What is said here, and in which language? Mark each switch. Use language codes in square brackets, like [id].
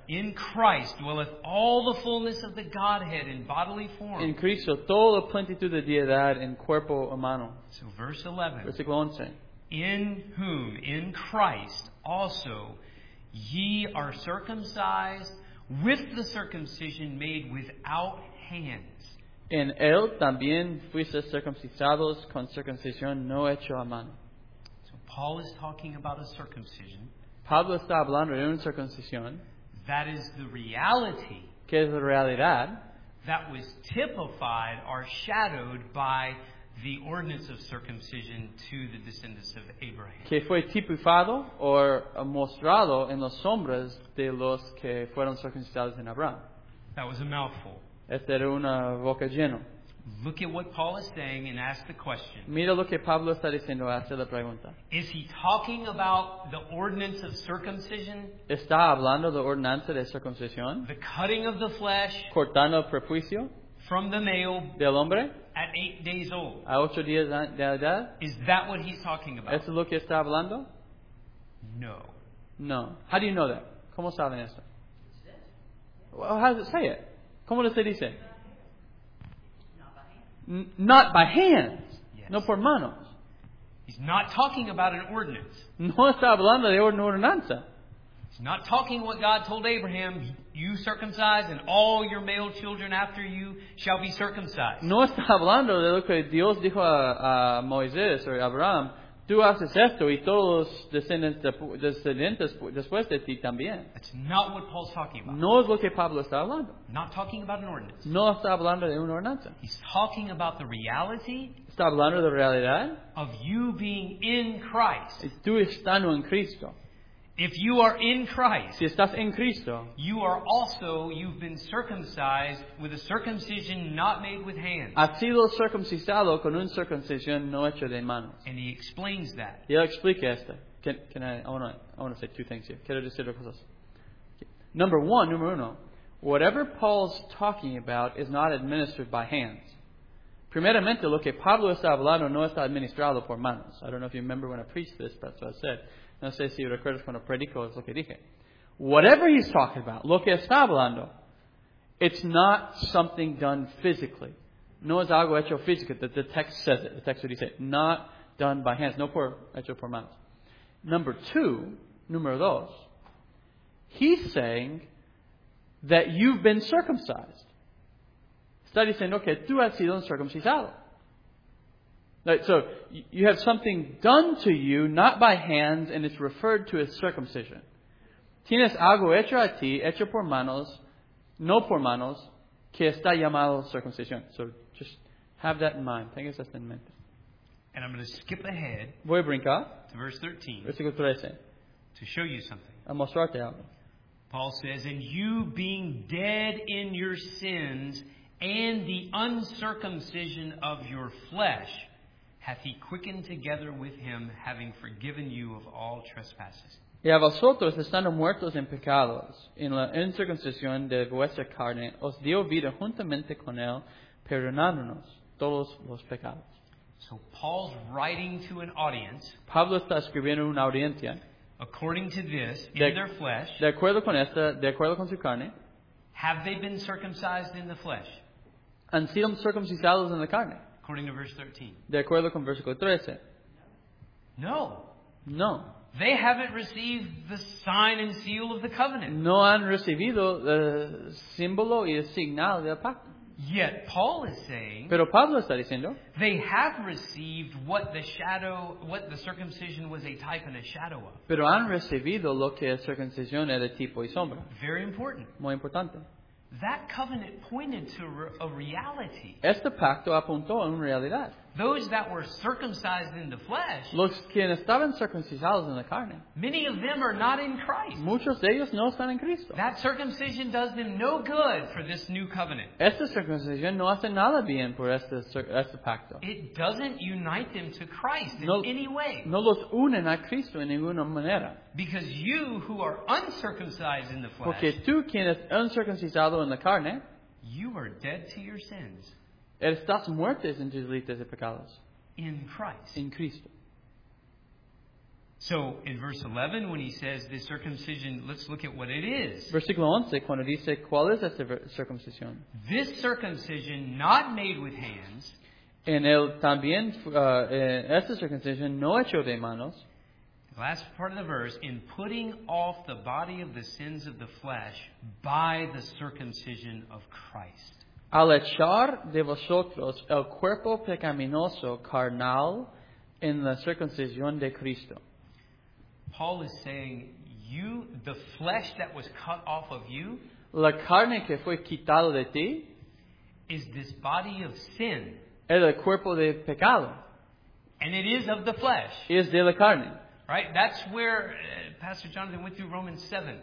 [en] In Christ dwelleth all the fullness of the Godhead in bodily form. [es] En Cristo toda la plenitud de deidad en cuerpo humano. [en] So verse 11. [es] Versículo 11. [en] In whom, in Christ also, ye are circumcised with the circumcision made without hands. [es] En él también fuisteis circuncisados con circuncisión no hecho a mano. [en] So Paul is talking about a circumcision. [es] Pablo está hablando de una circuncisión. [en] That is the reality. [es] Que es la realidad. [en] That was typified or shadowed by the ordinance of circumcision to the descendants of Abraham. [es] Que fue tipificado o mostrado en las sombras de los que fueron circuncidados en Abraham. [en] That was a mouthful. [es] Esta era una boca llena. [en] Look at what Paul is saying and ask the question. [es] Mira lo que Pablo está diciendo, hace la pregunta. [en] Is he talking about the ordinance of circumcision? [es] ¿Está hablando de ordenanza de circuncisión? [en] The cutting of the flesh. [es] Cortando el prepucio. [en] From the male. [es] Del hombre. [en] At 8 days old. [es] A 8 días de edad. [en] Is that what he's talking about? [es] ¿Eso es lo que está hablando? [en] No. No. How do you know that? [es] ¿Cómo saben esto? [en] Well, how does it say it? [es] ¿Cómo lo se dice? [en] Not by hands. Yes. [es] No por manos. [en] He's not talking about an ordinance. [es] No está hablando de una ordenanza. [en] He's not talking what God told Abraham, you circumcise and all your male children after you shall be circumcised. [es] No está hablando de lo que Dios dijo a Moisés o a Abraham, tú haces esto y todos los descendientes después de ti también. [en] That's not what Paul's talking about. [es] No es lo que Pablo está hablando. [en] Not talking about an ordinance. [es] No está hablando de una ordenanza. [en] He's talking about the reality. [es] Está hablando de la realidad. [en] Of you being in Christ. [es] Tú estando en Cristo. [en] If you are in Christ, [es] si estás en Cristo, [en] you are also, you've been circumcised with a circumcision not made with hands. [es] Has sido circuncisado con una circuncisión no hecha de manos. [en] And he explains that. [es] Y él explica esto. [en] I want to say two things here. [es] Quiero decir dos cosas. [en] Number one, whatever Paul's talking about is not administered by hands. [es] Primeramente, lo que Pablo está hablando no está administrado por manos. [en] I don't know if you remember when I preached this, but that's what I said. [es] No sé si recuerdas cuando predico, es lo que dije. [en] Whatever he's talking about, [es] lo que está hablando, [en] it's not something done physically. [es] No es algo hecho físicamente. [en] The text says it. The text would say not done by hands. [es] No por hecho por manos. Número dos, [en] he's saying that you've been circumcised. [es] Está diciendo que tú has sido circuncisado. [en] Right, so, you have something done to you, not by hands, and it's referred to as circumcision. [es] Tienes algo hecho a ti, hecho por manos, no por manos, que está llamado circuncisión. [en] So, just have that in mind. [es] Tengas esto en mente. [en] And I'm going to skip ahead. [es] Voy a brincar. [en] To verse 13. [es] Versículo 13. [en] To show you something. [es] A mostrarte algo. [en] Paul says, and you being dead in your sins and the uncircumcision of your flesh hath he quickened together with him, having forgiven you of all trespasses. [es] Y a vosotros, estando muertos en pecados, en la incircuncisión de vuestra carne, os dio vida juntamente con él, perdonándonos todos los pecados. [en] So Paul's writing to an audience. [es] Pablo está escribiendo una audiencia. [en] According to this, in their flesh. [es] De acuerdo con esta, de acuerdo con su carne. [en] Have they been circumcised in the flesh? [es] Han sido circuncisados en la carne. [en] According to verse 13. [es] De acuerdo con versículo 13. [en] No. [es] No. [en] They haven't received the sign and seal of the covenant. [es] No han recibido el símbolo y el signal del pacto. [en] Yet Paul is saying, [es] pero Pablo está diciendo, [en] they have received what the circumcision was a type and a shadow of. [es] Pero han recibido lo que la circuncisión era tipo y sombra. [en] Very important. [es] Muy importante. [en] That covenant pointed to a reality. [es] Este pacto apuntó a una realidad. [en] Those that were circumcised in the flesh, [es] los quienes estaban circuncidados en la carne, [en] many of them are not in Christ. [es] Muchos de ellos no están en Cristo. [en] That circumcision does them no good for this new covenant. [es] Esta circuncisión no hace nada bien por este pacto. [en] It doesn't unite them to Christ in any way. [es] No los unen a Cristo en ninguna manera. [en] Because you who are uncircumcised in the flesh, [es] porque tú quienes uncircuncisado en la carne, [en] you are dead to your sins. [es] Estás muertos en tus delitos y pecados. [en] In Christ. [es] En Cristo. [en] So, in verse 11, when he says this circumcision, let's look at what it is. [es] Versículo 11, cuando dice, ¿cuál es esta circuncisión? [en] This circumcision, not made with hands. [es] En él también, esta circuncisión, no hecho de manos. [en] Last part of the verse, in putting off the body of the sins of the flesh by the circumcision of Christ. [es] Al echar de vosotros el cuerpo pecaminoso carnal en la circuncisión de Cristo. [en] Paul is saying, you, the flesh that was cut off of you, [es] la carne que fue quitada de ti, [en] is this body of sin. [es] Es el cuerpo de pecado. [en] And it is of the flesh. [es] Es de la carne. [en] Right? That's where Pastor Jonathan went through Romans 7.